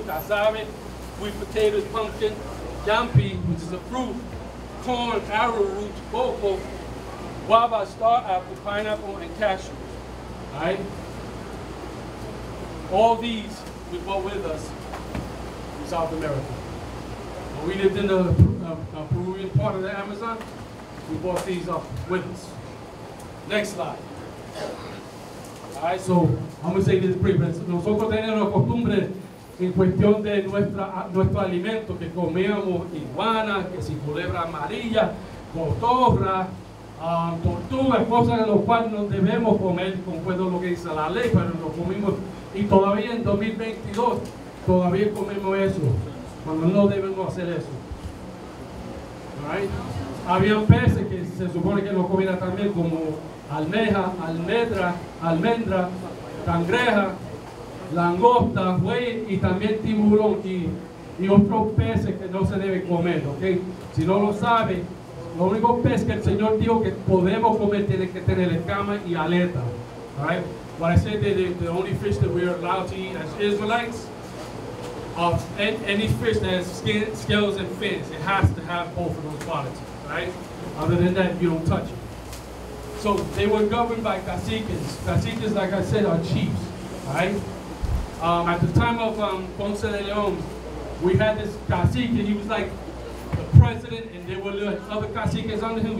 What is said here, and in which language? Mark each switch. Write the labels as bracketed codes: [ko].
[en] Tazami, sweet potatoes, pumpkin, yampi, which is a fruit, corn, arrowroot, coco, guava, star apple, pineapple, and cashews. Right? All these we brought with us in South America. When we lived in the Peruvian part of the Amazon, we brought these up with us. Next slide. Alright, so I'm gonna say this brief. [es] Nosotros tenemos una costumbre en cuestión de nuestro alimento, que comíamos iguana, que si culebra amarilla, cotorra, tortuga, cosas de las cuales no debemos comer, concuerdo lo que dice la ley, pero lo comimos. Y todavía en 2022 todavía comemos eso, cuando no debemos hacer eso. [en] Alright? [es] Había peces que se supone que no comían también, como almeja, almendra, almendra, cangreja, langosta, buey y también tiburón y otros peces que no se deben comer, ¿ok? Si no lo sabe, lo único pez que el Señor dijo que podemos comer tiene que tener escama y aleta, [en] right? What I said, the only fish that we are allowed to eat as Israelites, any fish that has skin, scales and fins, it has to have both of those qualities, right? Other than that, you don't touch it. So they were governed by caciques. Caciques, like I said, are chiefs, right? At the time of Ponce de León, we had this cacique, and he was like the president, and there were other caciques under him.